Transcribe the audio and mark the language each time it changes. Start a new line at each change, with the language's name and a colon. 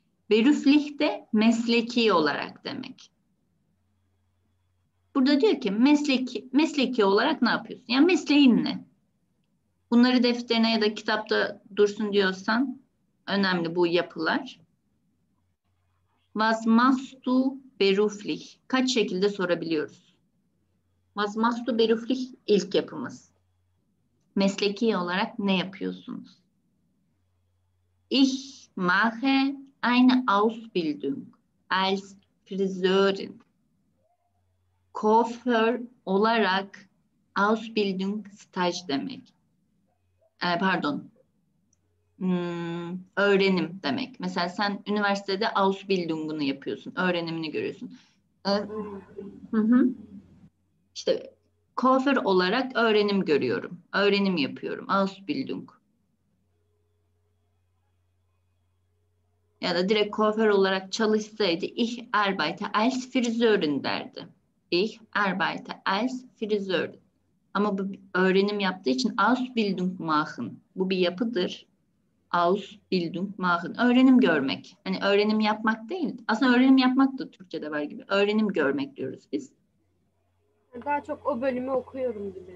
Turkish: Beruflich de mesleki olarak demek. Burada diyor ki mesleki olarak ne yapıyorsun? Yani mesleğin ne? Bunları defterine ya da kitapta dursun diyorsan önemli bu yapılar.
German: Was machst du beruflich?
Turkish: Kaç şekilde sorabiliyoruz?
German: Was machst du beruflich?
Turkish: İlk yapımız. Mesleki olarak ne yapıyorsunuz?
German: Ich mache eine Ausbildung als Friseurin.
Turkish: Kuaför olarak Ausbildung staj demek. Pardon. Öğrenim demek. Mesela sen üniversitede Ausbildung'unu yapıyorsun. Öğrenimini görüyorsun. İşte kuaför olarak öğrenim görüyorum. Öğrenim yapıyorum. Ausbildung. Ya da direkt kuaför olarak çalışsaydı
German: ich arbeite als Friseurin
Turkish: derdi.
German: Ich arbeite als Friseurin.
Turkish: Ama bu öğrenim yaptığı için Ausbildung machen. Bu bir yapıdır. Ausbildung machen. Öğrenim görmek. Hani öğrenim yapmak değil. Aslında öğrenim yapmak da Türkçe'de var gibi. Öğrenim görmek diyoruz biz. Daha çok o bölümü okuyorum gibi.